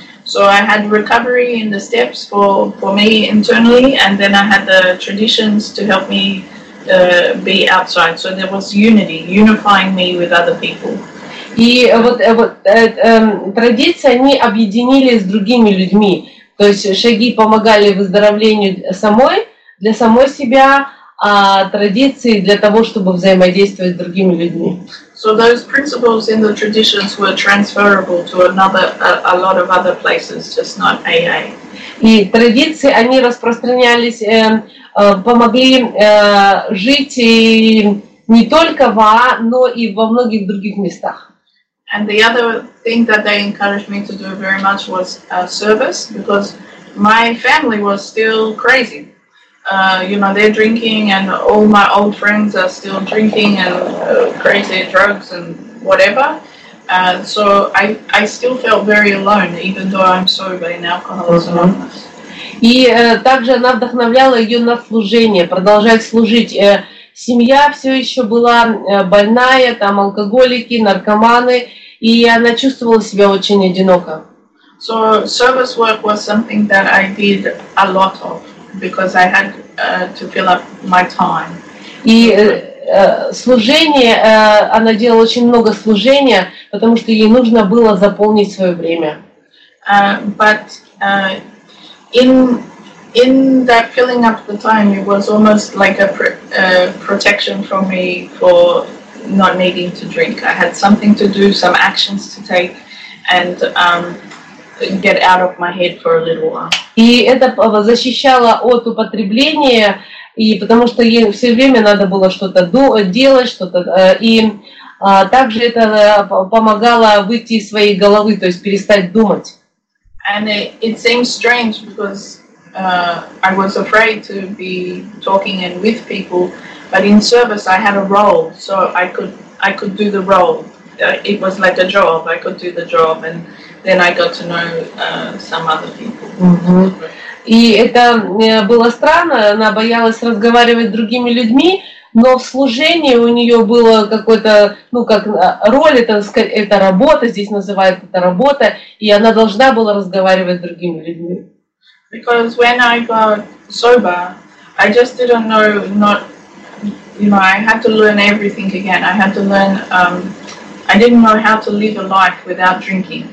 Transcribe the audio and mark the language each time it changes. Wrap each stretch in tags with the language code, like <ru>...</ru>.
<en>So I had recovery in the steps for me internally, and then I had the traditions to help me be outside. So there was unity, unifying me with other people.</en> <ru>И традиции они объединили с другими людьми. То есть шаги помогали выздоровлению для самой себя. А традиции для того, чтобы взаимодействовать с другими людьми.</ru> <en>So those principles in the traditions were transferable to a lot of other places, just not AA.</en> <ru>И традиции, они распространялись, помогли жить и не только в АА, но и во многих других местах.</ru> <en>And the other thing that they encouraged me to do very much was service, because my family was still crazy. You know, they're drinking, and all my old friends are still drinking and crazy drugs and whatever. So I still felt very alone, even though I'm sober in Alcoholics Anonymous.</en> <ru>И также она вдохновляла ее на служение, продолжать служить. Семья все еще была больная, там алкоголики, наркоманы, и она чувствовала себя очень одиноко.</ru> <en>So service work was something that I did a lot of, because I had to fill up my time.</en> <ru>И служение, она делала очень много служения, потому что ей нужно было заполнить свое время.</ru> <en>But in that filling up the time, it was almost like a protection for me for not needing to drink. I had something to do, some actions to take, and get out of my head for a little while.</en> <ru>И это защищало от употребления, и потому что ей все время надо было что-то делать, что-то, и также это помогало выйти из своей головы, то есть перестать думать.</ru> <en>And it seems strange because I was afraid to be talking and with people, but in service I had a role, so I could do the role. It was like a job. I could do the job, and then I got to know some other people.</en> <ru>Mm-hmm. И это было странно. Она боялась разговаривать с другими людьми, но в служении у нее было какое-то, ну как роль, это работа, здесь называют это работа, и она должна была разговаривать с другими людьми.</ru> <en>Because when I got sober, I just didn't know, not, you know, I had to learn everything again. I had to learn, I didn't know how to live a life without drinking.</en>